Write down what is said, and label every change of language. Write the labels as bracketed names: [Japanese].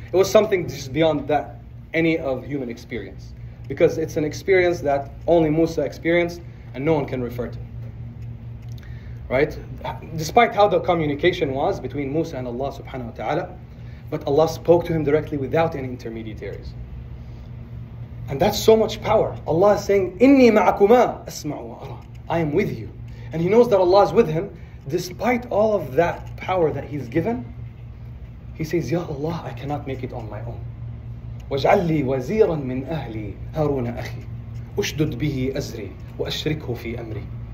[English] It was something just beyond that, any of human experience. Because it's an experience that only Musa experienced and no one can refer to. Right? Despite how the communication was between Musa and Allah subhanahu wa ta'ala, but Allah spoke to him directly without any intermediaries. And that's so much power. Allah is saying, [Arabic] إِنِّي مَعَكُمَا أَسْمَعُ وَأَرَىٰ. [English] I am with you. And he knows that Allah is with him. Despite all of that power that he's given, he says, Ya Allah, I cannot make it on my own. [Arabic] وَاجْعَلِّي وَزِيرًا مِنْ أَهْلِي هَارُونَ أَخِي أُشْدُدْ بِهِ أَزْرِي وَأَشْرِكْهُ فِي أَمْرِي.